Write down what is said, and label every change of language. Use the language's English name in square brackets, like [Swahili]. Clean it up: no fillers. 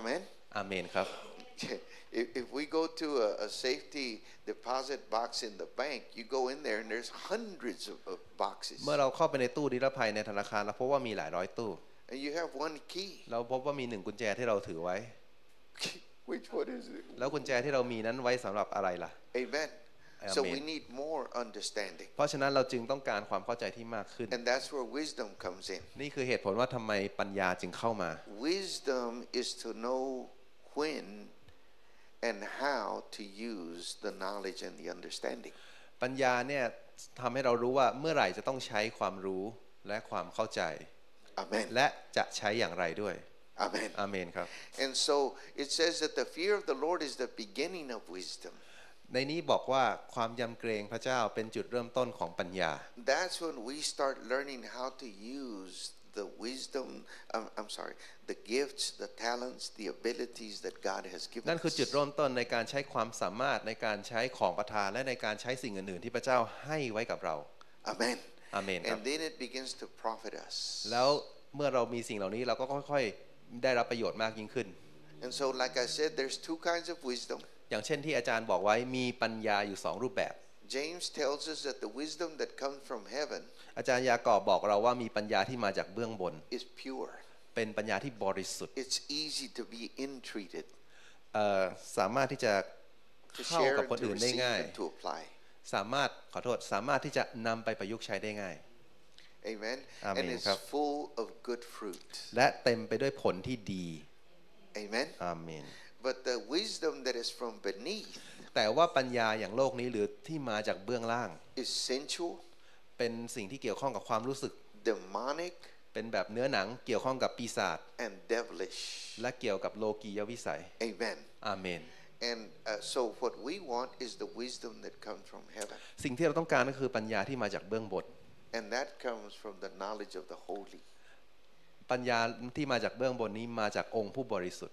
[Thai] า เ ม นอาเมนครับ [English] If we go to a safety deposit box in the bank you go in there and there's hundreds of boxes [Thai] เมื่อเราเข้าไปในตู้นิรภัยในธนาคารเราพบว่ามีหลายร้อยตู้ [English] And you have one key [Thai] เราพบว่ามีหนึ่งกุญแจที่เราถือไว้ [English] Which one is it [Thai] แล้วกุญแจที่เรามีนั้นไว้สำหรับอะไรล่ะ [English] AmenSo we need more understanding. [Thai] เพราะฉะนั้นเราจึงต้องการความเข้าใจที่มากขึ้น [English] And that's where wisdom comes in. [Thai] นี่คือเหตุผลว่าทำไมปัญญาจึงเข้ามา [English] Wisdom is to know when and how to use the knowledge and the understanding. [Thai] ปัญญาเนี่ยทำให้เรารู้ว่าเมื่อไหร่จะต้องใช้ความรู้และความเข้าใจ [English] Amen. [Thai] และจะใช้อย่างไรด้วย [English] Amen. [Thai] Amen ครับ [English] And so it says that the fear of the Lord is the beginning of wisdom. [Thai] ในนี้บอกว่าความยำเกรงพระเจ้าเป็นจุดเริ่มต้นของปัญญา [English] That's when we start learning how to use the wisdom the gifts the talents the abilities that God has given us [Thai] นั่นคือจุดเริ่มต้นในการใช้ความสามารถในการใช้ของประทานและในการใช้สิ่งอื่นๆที่พระเจ้าให้ไว้กับเรา [English] Amen Amen And then it begins to profit us [Thai] แล้วเมื่อเรามีสิ่งเหล่านี้เราก็ค่อยๆได้รับประโยชน์มากยิ่งขึ้น [English] And so like I said there's two kinds of wisdom [Thai] อย่างเช่นที่อาจารย์บอกไว้มีปัญญาอยู่2รูปแบบ [English] James tells us that the wisdom that comes from heaven [Thai] อาจารย์ยากอบบอกเราว่ามีปัญญาที่มาจากเบื้องบน [English] is pure [Thai] เป็นปัญญาที่บริสุทธิ์ [English] it's easy to be entreated [Thai] สามารถที่จะเข้ากับคนอื่นได้ง่ายสามารถขอโทษสามารถที่จะนำไปประยุกต์ใช้ได้ง่าย [English] Amen and it's full of good fruit [Thai] และเต็มไปด้วยผลที่ดี [English] Amen Amen But the wisdom that is from beneath. [Thai] แต่ว่าปัญญาอย่างโลกนี้หรือที่มาจากเบื้องล่าง [English] is sensual. [Thai] เป็นสิ่งที่เกี่ยวข้องกับความรู้สึก [English] demonic. [Thai] เป็นแบบเนื้อหนังเกี่ยวข้องกับปีศาจ [English] and devilish. [Thai] และเกี่ยวกับโลกียวิสัย [English] Amen. Amen. And so what we want is the wisdom that comes from heaven. [Thai] สิ่งที่เราต้องการก็คือปัญญาที่มาจากเบื้องบน [English] And that comes from the knowledge of the holy. [Thai] ปัญญาที่มาจากเบื้องบนนี้มาจากองค์ผู้บริสุทธิ